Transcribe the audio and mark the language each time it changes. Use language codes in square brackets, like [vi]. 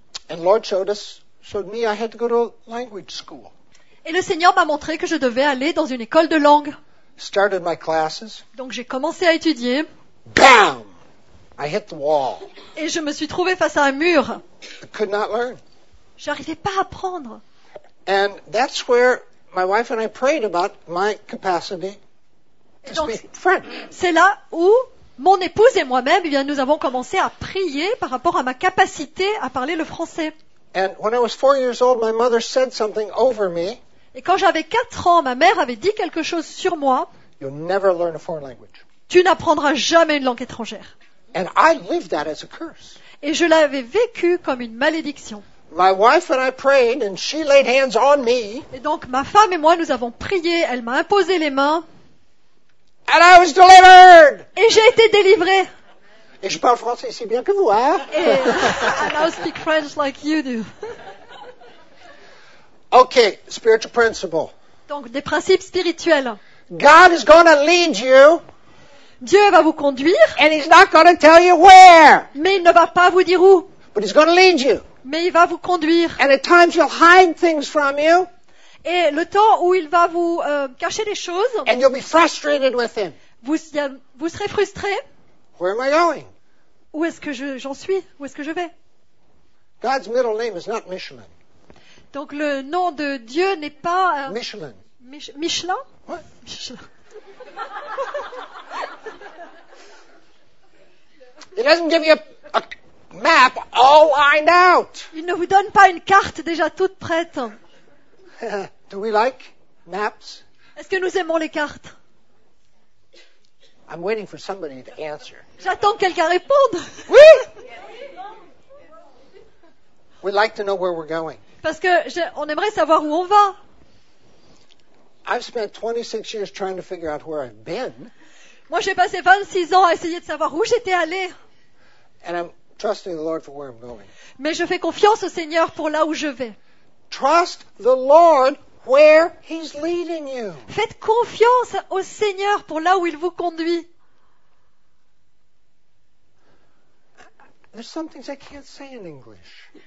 [en] And Lord showed us showed me I had to go to language school. [fr] Et le Seigneur m'a montré que je devais aller dans une école de langue. [en] Started my classes. [fr] Donc j'ai commencé à étudier. [en] Bam! I hit the wall. [fr] Et je me suis trouvé face à un mur. [en] I could not learn. [fr] J'arrivais pas à apprendre. [en] And that's where my wife and I prayed about my capacity to donc, speak French. [fr] C'est là où mon épouse et moi-même, eh bien, nous avons commencé à prier par rapport à ma capacité à parler le français. [en] And when I was 4 years old, my mother said something over me. [fr] Et quand j'avais 4 ans, ma mère avait dit quelque chose sur moi. [en] You'll never learn a foreign language. [fr] Tu n'apprendras jamais une langue étrangère. [en] And I lived that as a curse. [fr] Et je l'avais vécu comme une malédiction. [en] My wife and I prayed, and she laid hands on me. [fr] Et donc ma femme et moi nous avons prié. Elle m'a imposé les mains. [en] And I was delivered. [fr] Et j'ai été délivré. Et je parle français aussi bien que vous, hein? [en] And I speak French like you do. Okay, spiritual principle. [fr] Donc des principes spirituels. [en] God is going to lead you. [fr] Dieu va vous conduire. [en] And he's not going to tell you where. [fr] Mais il ne va pas vous dire où. [en] But he's going to lead you. [fr] Mais il va vous conduire. [en] And at times he'll hide things from you. [fr] Et le temps où il va vous cacher des choses. [en] And you'll be frustrated with him. [fr] Vous serez frustré. [en] Where am I going? [fr] Où est-ce que j'en suis? Où est-ce que je vais? [en] God's middle name is not Michelin. [fr] Donc le nom de Dieu n'est pas Michelin. Michelin? [en] What? Michelin. It doesn't give you a map all lined out. [fr] Il ne vous donne pas une carte déjà toute prête. [en] Do we like maps? [fr] Est-ce que nous aimons les cartes? [en] I'm waiting for somebody to answer. [fr] J'attends quelqu'un réponde. Oui. [en] We'd like to know where we're going. [fr] Parce que on aimerait savoir où on va. [en] I've spent 26 years trying to figure out where I've been. [fr] Moi, j'ai passé 26 ans à essayer de savoir où j'étais allé. [en] And I'm trusting the Lord for where I'm going. [fr] Mais je fais confiance au Seigneur pour là où je vais. [en] Trust the Lord. Where he's leading you. [fr] Faites confiance au Seigneur pour là où il vous conduit. [en] There's some things I can't say in English.